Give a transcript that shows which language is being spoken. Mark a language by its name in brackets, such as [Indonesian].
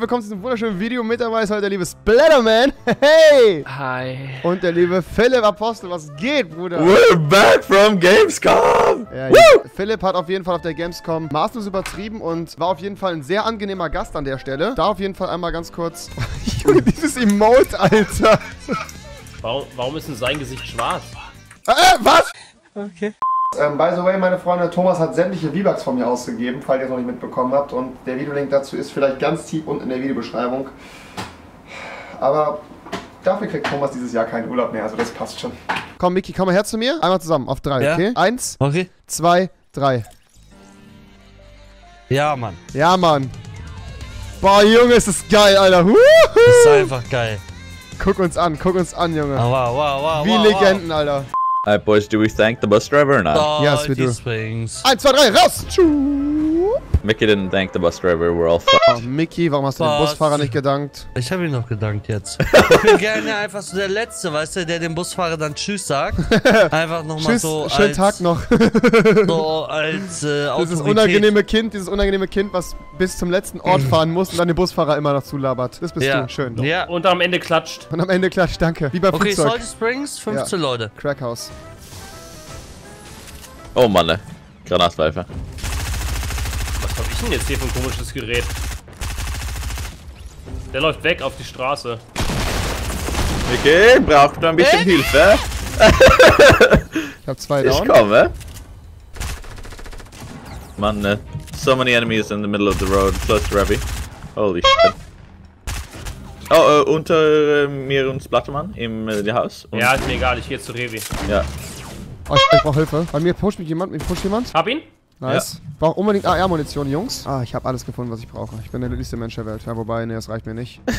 [German] Willkommen zu diesem wunderschönen Video. Mit dabei ist heute der liebe Splatterman. Hey! Hi. Und der liebe Philipp Apostel. Was geht, Bruder? [English] We're back from Gamescom! [German] Ja, woo! Philipp hat auf jeden Fall auf der Gamescom maßlos übertrieben und war auf jeden Fall ein sehr angenehmer Gast an der Stelle. Da auf jeden Fall einmal ganz kurz... Junge, dieses Emote, Alter! Warum ist denn sein Gesicht schwarz? Was? Okay. [English] By the way, [German] meine Freunde, Thomas hat sämtliche V-Bucks von mir ausgegeben, falls ihr es noch nicht mitbekommen habt. Und der Videolink dazu ist vielleicht ganz tief unten in der Videobeschreibung. Aber dafür kriegt Thomas dieses Jahr keinen Urlaub mehr, also das passt schon. Komm, Micky, komm mal her zu mir. Einmal zusammen, auf drei, ja. Okay? Eins, okay. Zwei, drei. Ja, Mann. Ja, Mann. Boah, Junge, ist das geil, Alter. Woohoo! Ist einfach geil. Guck uns an, Junge. Oh, wow, wow, wow. Wie wow, Legenden, wow. Alter. [English] Hey boys, do we thank the bus driver or not? Oh, yes, we do. Swings. [German] 1, 2, 3, raus! [English] Mickey didn't thank the bus driver, we're all fucked. [German] Oh, Mickey, warum hast du dem Busfahrer nicht gedankt? Ich hab ihm noch gedankt jetzt. Ich bin gerne einfach so der Letzte, weißt du, der dem Busfahrer dann Tschüss sagt. Einfach nochmal so als... Tschüss, schönen Tag noch. So als Autorität. Dieses unangenehme Kind, was bis zum letzten Ort fahren muss und dann den Busfahrer immer noch zulabert. Das bist ja. Du, schön. Doch. Ja, und am Ende klatscht. Und am Ende klatscht, danke. Wie beim Flugzeug. Okay, Salty Springs, 15 ja. Leute. Crackhaus. Oh Mann, ne? Granatpfeife. Was hab ich denn jetzt hier für ein komisches Gerät? Der läuft weg auf die Straße. Okay, braucht ein bisschen Hilfe. Ich hab zwei down. Ich komme. Mann, ne? [English] So many enemies in the middle of the road, close to Ravi. Holy shit. [German] Oh, unter mir und Splattermann im Haus. Ja, ist mir egal, ich gehe zu Ravi. Ja. Oh, ich brauch Hilfe. Bei mir pusht mich jemand, Hab ihn. Nice. Ja. Brauch unbedingt AR-Munition, Jungs. Ah, ich hab alles gefunden, was ich brauche. Ich bin der glücklichste Mensch der Welt. Ja, wobei, nee, das reicht mir nicht.